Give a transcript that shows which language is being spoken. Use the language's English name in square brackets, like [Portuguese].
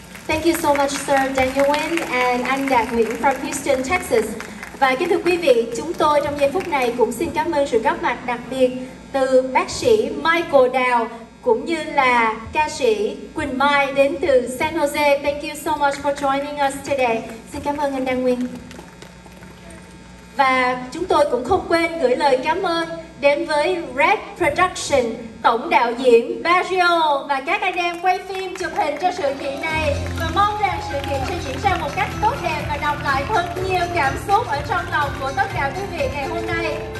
[English] Thank you so much, Sir Daniel Nguyen and Anh Đạt Nguyễn from Houston, Texas. [Vietnamese] Và kính thưa quý vị, chúng tôi trong giây phút này cũng xin cảm ơn sự góp mặt đặc biệt từ bác sĩ Michael Đào cũng như là ca sĩ Quỳnh Mai đến từ San Jose. [English] Thank you so much for joining us today. [Vietnamese] Xin cảm ơn anh Đăng Nguyên. Và chúng tôi cũng không quên gửi lời cảm ơn đến với Red Production, tổng đạo diễn Barrio và các anh em quay phim chụp hình cho sự kiện này. Và mong rằng sự kiện sẽ diễn ra một cách tốt đẹp và đọng lại thật nhiều cảm xúc ở trong lòng của tất cả quý vị ngày hôm nay.